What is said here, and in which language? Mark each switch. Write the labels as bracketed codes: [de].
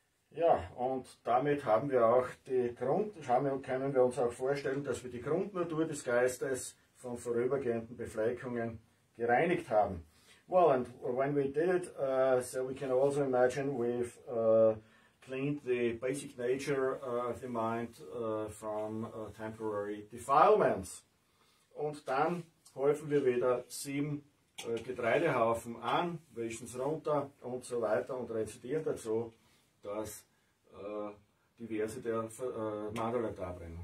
[de] Ja, und damit haben wir auch die können wir uns auch vorstellen, dass wir die Grundnatur des Geistes von vorübergehenden Befleckungen gereinigt haben. [en] Well, and when we did it, so we can also imagine we've cleaned the basic nature of the mind from temporary defilements. [de] Und dann häufen wir wieder 7 Getreidehaufen an, wischen es runter und so weiter und rezitieren dazu, dass die Verse der Mandala darbringen.